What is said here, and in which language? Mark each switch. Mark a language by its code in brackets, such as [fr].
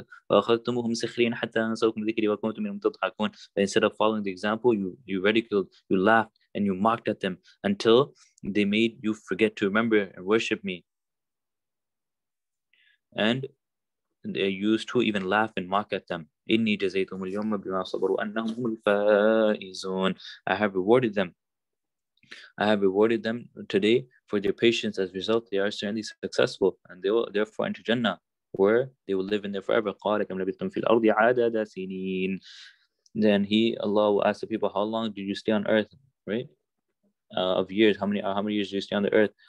[ar] فأخذتهم سخرين حتى أنسوكم ذكري وكنتم منهم تضحكون. [en] Instead of following the example, you ridiculed, you laughed, and you mocked at them until they made you forget to remember and worship me. And they used to even laugh and mock at them. [ar] إني جزيتهم اليوم بما صبروا أنهم هم الفائزون. [en] I have rewarded them today for their patience. As a result, they are certainly successful, and they will therefore enter Jannah, where they will live in there forever. [ar] قال كم لبثتم في الأرض عدد سنين. [en] Then he, Allah, will ask the people, how long did you stay on earth, right? Of years, how many years did you stay on the earth?